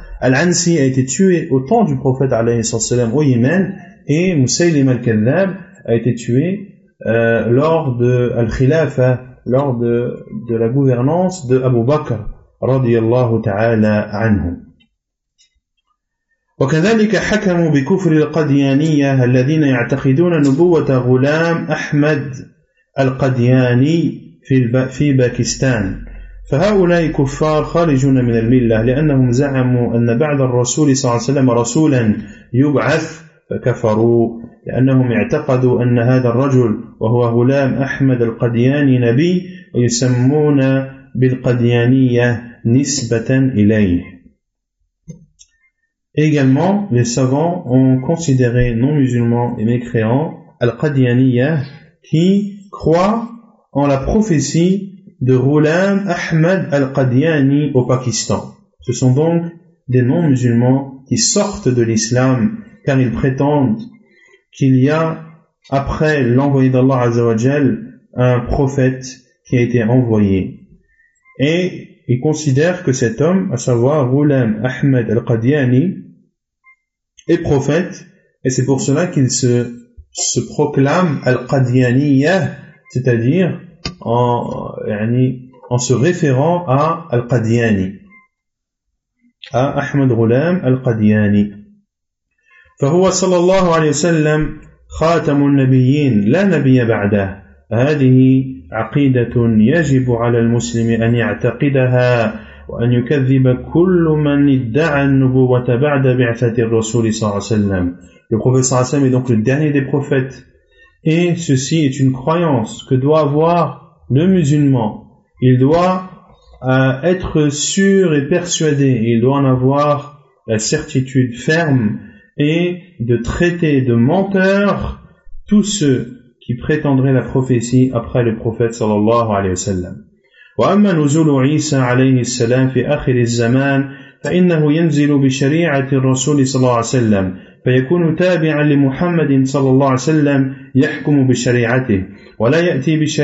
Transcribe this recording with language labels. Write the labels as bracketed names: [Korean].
[French] Al-Ansi a été tué au temps du prophète alayhi wa sallam au Yémen, et Musaylima al-Kadhdhab a été tué lors de Al-Khilafa, lors de la gouvernance de Abu Bakr radiyallahu ta'ala anhu. [Arabic] وكذلك حكموا بكفر القديانية الذين يعتقدون نبوة غلام أحمد القدياني في باكستان. فهؤلاء كفار خارجون من الملة، لأنهم زعموا أن بعد الرسول صلى الله عليه وسلم رسولا يبعث فكفروا، لأنهم اعتقدوا أن هذا الرجل وهو غلام أحمد القدياني نبي ويسمون بالقديانية نسبة إليه. [French] Également, les savants ont considéré non-musulmans et mécréants Al-Qadianiyah qui croient en la prophétie de Ghulam Ahmad Al-Qadiani au Pakistan. Ce sont donc des non-musulmans qui sortent de l'islam car ils prétendent qu'il y a, après l'envoyé d'Allah Azzawajal, un prophète qui a été envoyé. Et ils considèrent que cet homme, à savoir Ghulam Ahmad Al-Qadiani, est prophète, et c'est pour cela qu'il se proclame Al-Qadianiyah, c'est-à-dire en se référant à Al-Qadiani, à Ahmad Ghulam Al-Qadiani. [Arabic] فهو صلى الله عليه وسلم خاتم النبيين لا نبي بعده هذه عقيدة يجب على المسلم أن يعتقدها وأن يكذب كل من ادعى النبوة بعد بعثة الرسول صلى الله عليه وسلم. [French] Le prophète [Arabic] صلى الله عليه وسلم [French] est donc le dernier des prophètes, et ceci est une croyance que doit avoir le musulman. Il doit être sûr et persuadé, il doit en avoir la certitude ferme, et de traiter de menteurs tous ceux qui prétendraient la prophétie après le prophète sallallahu alayhi wa sallam. [Arabic] واما نزول عيسى عليه السلام في اخر الزمان فانه ينزل بشريعه الرسول صلى الله عليه وسلم فيكون تابعا لمحمد صلى الله عليه وسلم يحكم بشريعته ولا ياتي